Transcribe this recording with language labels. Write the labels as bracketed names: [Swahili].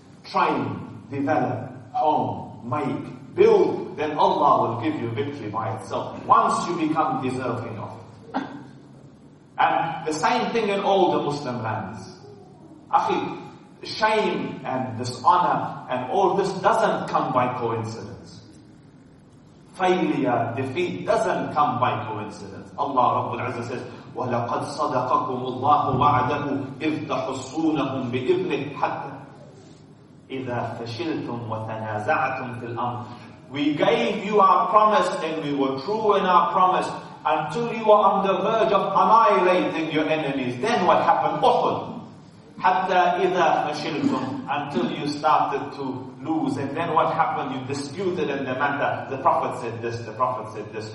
[English] Train, develop, home, make, build, then Allah will give you victory by itself, once you become deserving of it. And the same thing in all the Muslim lands. Akhi, shame and dishonor and all this doesn't come by coincidence. Failure, defeat doesn't come by coincidence. Allah Rabbul Azza says, [Arabic] وَلَقَدْ صَدَقَكُمُ اللَّهُ وَعَدَهُ إِذْ تَحُصُّونَهُمْ بِإِذْنِهِ حَتَّى إِذَا فَشِلْتُمْ وَتَنَازَعْتُمْ فِي الْأَمْرِ. [English] We gave you our promise and we were true in our promise until you were on the verge of annihilating your enemies. Then what happened? [Arabic] أُحُد. حَتَّى إِذَا فَشِلْتُمْ. [English] Until you started to lose. And then what happened? You disputed in the matter. The Prophet said this, the Prophet said this.